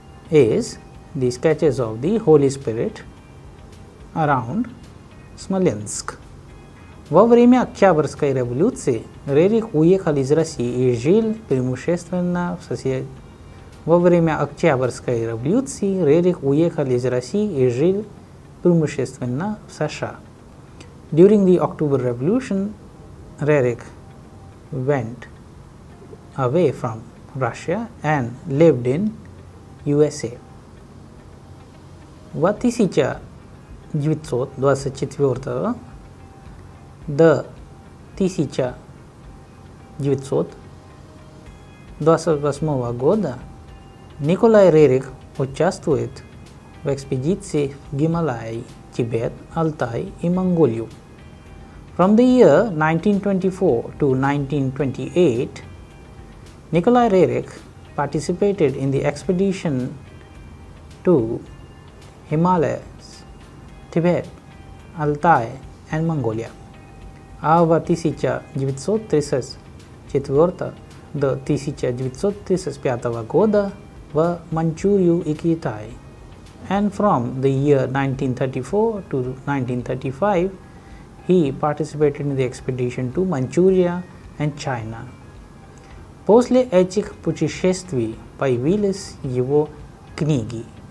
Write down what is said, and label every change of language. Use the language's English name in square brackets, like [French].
[English] Is the sketches of the Holy Spirit around Smolensk. [Russian] Во время Октябрьской революции Рерих уехал из России и жил преимущественно в соседнем. Во время Октябрьской революции Рерих уехал из России и жил преимущественно в США. [English] During the October Revolution, Рерих went away from Russia and lived in USA. [Russian] В 1924 до 1928 года Николай Рерих участвует в экспедиции в Гималаи, Тибет, Алтай и Монголию. [English] From the year 1924 to 1928, Николай Рерих participated in the expedition to Himalayas, Tibet, Altai and Mongolia. [Russian] А в 1934 до 1935 года в Манчжурию и Китай. [English] And from the year 1934 to 1935, he participated in the expedition to Manchuria and China. [Russian] После этих путешествий появились его книги.